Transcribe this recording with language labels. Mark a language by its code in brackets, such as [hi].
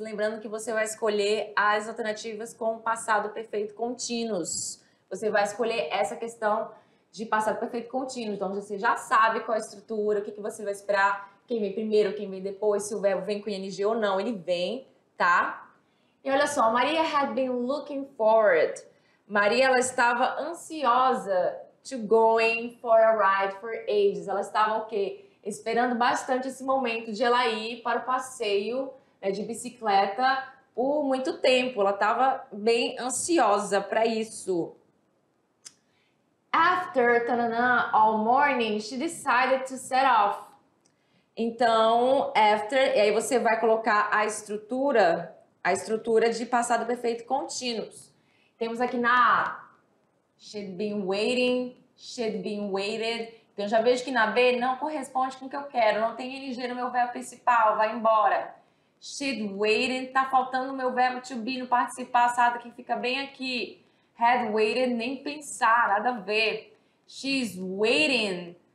[pt] Lembrando que você vai escolher as alternativas com passado perfeito contínuo. você vai escolher essa questão de passado perfeito contínuo. Então, você já sabe qual é a estrutura, o que, que você vai esperar, quem vem primeiro, quem vem depois, se o verbo vem com ING ou não, ele vem, tá? E olha só, [en] Maria had been looking forward. [pt] Maria, ela estava ansiosa [en] to going for a ride for ages. [pt] Ela estava o quê? Esperando bastante esse momento de ela ir para o passeio, né, de bicicleta por muito tempo. Ela estava bem ansiosa para isso. [en] After tanana, all morning, she decided to set off. [pt] Então, after, e aí você vai colocar a estrutura de passado perfeito contínuos. Temos aqui na A, [en] she'd been waiting, she'd been waited. [pt] Então, eu já vejo que na B não corresponde com o que eu quero, não tem ING no meu verbo principal, vai embora. [en] She'd waited, [pt] tá faltando o meu verbo to be no participio passado, que fica bem aqui. [en] Had waited, [pt] nem pensar, nada a ver. [en] She's waiting.